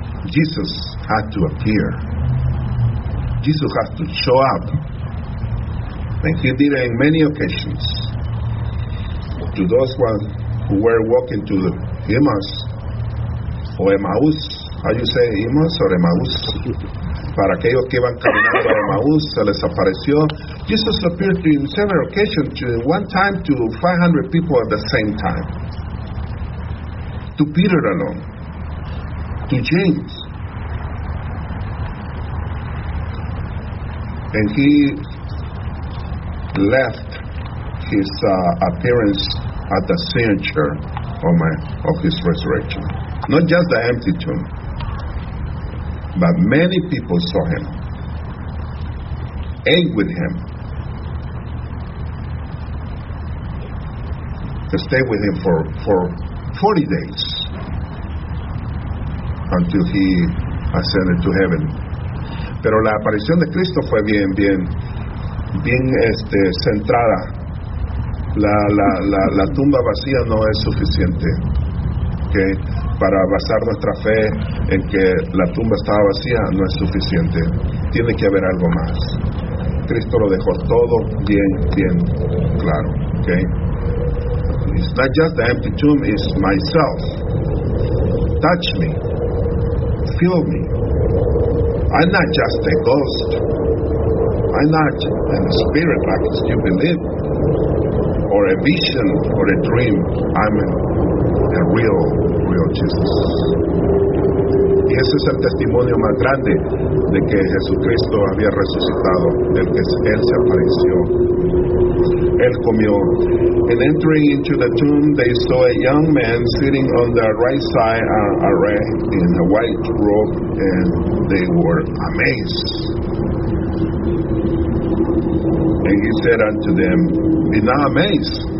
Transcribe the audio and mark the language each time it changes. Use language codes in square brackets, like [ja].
[en] Jesus had to appear. Jesus had to show up. And he did it on many occasions. To those ones who were walking to the Emmaus or Emmaus, how you say Emmaus or Emmaus? [es] Para aquellos que iban caminando a Emmaus, se les apareció. [en] Jesus appeared to him several occasions, one time to 500 people at the same time. To Peter alone. To James. And he left his appearance at the signature of his resurrection. Not just the empty tomb. But many people saw him, ate with him, stayed with him for 40 days until he ascended to heaven. [es] Pero la aparición de Cristo fue bien centrada. La tumba vacía no es suficiente. Okay. Para basar nuestra fe en que la tumba estaba vacía no es suficiente. Tiene que haber algo más. Cristo lo dejó todo bien claro. Okay. [en] It's not just the empty tomb, it's myself. Touch me. Feel me. I'm not just a ghost. I'm not a spirit like you believe. Or a vision or a dream. I'm a real Jesus. [es] Y ese es el testimonio más grande de que Jesucristo había resucitado, del que Él se apareció Él comió. [en] And entering into the tomb, they saw a young man sitting on the right side, array in a white robe, and they were amazed. And he said unto them, be not amazed.